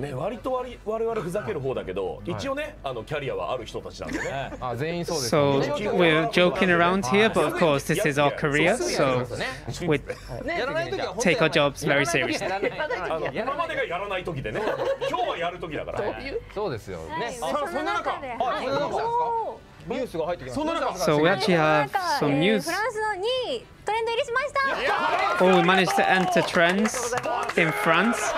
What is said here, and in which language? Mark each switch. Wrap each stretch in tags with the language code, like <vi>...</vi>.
<ja>ね、割と我々ふざける方だけど、一応ね、あのキャリアはある人たちなんでね。あ、全員そうですね。</ja> <en>So we're joking around here, but of course this is our career, so we take our jobs very seriously.</en> <ja>今までがやらない時でね、今日はやる時だから。そうですよね。そんな中、はい。ニュースが入ってきました</ja> <en>。 So we actually have some news.</en> <ja>フランスの2位トレンド入りしました。</ja> <en>Oh, we managed to enter trends in France.</en>